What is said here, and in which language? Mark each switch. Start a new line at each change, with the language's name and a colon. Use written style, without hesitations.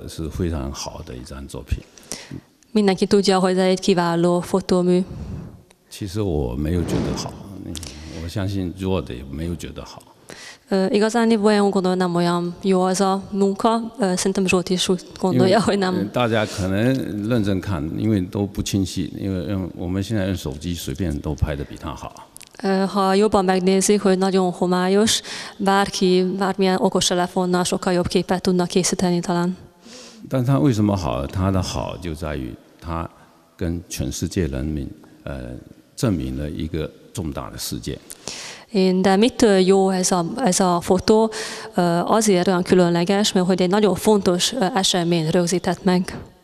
Chinese: 大家都知道那个是非常好的一张作品.
Hungarian: Mindenki tudja, hogy ez egy kiváló fotómű.
Chinese: 其实我没有觉得好，我相信若的也没有觉得好。
Hungarian: Igazániból én úgy gondolom, nem olyan jó az a munka, szerintem Zsolt is úgy gondolja, hogy nem.
Chinese: 大家可能认真看, 因为都不清晰, 因为我们现在用手机随便都拍得比他好。
Hungarian: Ha jobban megnézik, hogy nagyon homályos, bárki, bármilyen okos telefonnal sokkal jobb képet tudna készíteni talán.
Chinese: 但他为什么好? 他的好就在于他跟全世界人民, 证明了一个重大的事件。
Hungarian: Én, de mitől jó ez a fotó? Azért olyan különleges, mert hogy egy nagyon fontos esemény rögzített meg.